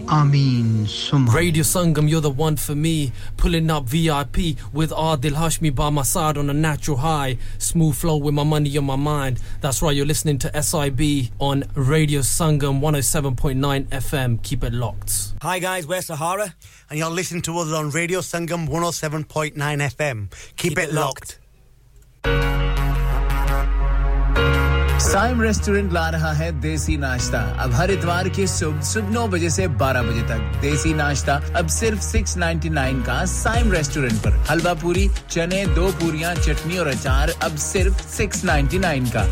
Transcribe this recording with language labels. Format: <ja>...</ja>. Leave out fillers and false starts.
<en>आमीन सुम. Radio Sangam, you are the one for me. Pulling up VIP with Adil Hashmi by my side on a natural high. Smooth flow with my money in my mind. That's why you are listening to SIB on radio Sangam 107.9 FM. Keep it locked. Hi guys, where Sahara. And you're listening to us on Radio Sangam 107.9 FM. Keep it locked.</en> <hi>Saim restaurant ला रहा है देसी नाश्ता. अब हर इतवार की सुबह 9 बजे से 12 बजे तक देसी नाश्ता अब सिर्फ 6.99 का साइम रेस्टोरेंट पर. हलवा पूरी, चने, दो पूरियां, चटनी और अचार अब सिर्फ 6.99 का.</hi>